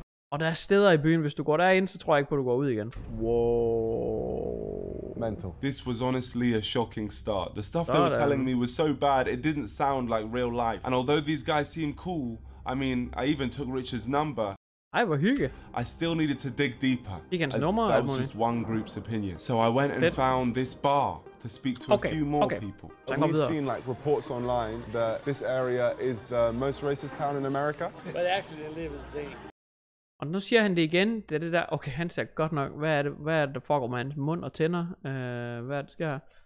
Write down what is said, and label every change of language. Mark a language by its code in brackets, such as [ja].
[da] Og der er steder i byen, hvis du går derind, så tror jeg ikke på, at du går ud igen. Wow. Mental. [en] This was honestly a shocking start. The stuff they were telling me was so bad, it didn't sound like real life. And although these guys seem cool, I mean, I even took Richard's number. [da] Ej, hvor hygge. [en] I still needed to dig deeper. [da] Hans nummer, [en] that was just one group's opinion. So I went and found this bar to speak to a few more people. Have you seen like reports online that this area is the most racist town in America? But actually they live in Zane. [da] Og nu siger han det igen. Det er det der. Okay, han siger godt nok. Hvad er det? Hvad er det, der foregår med hans mund og tænder? Hvad er det, sker her?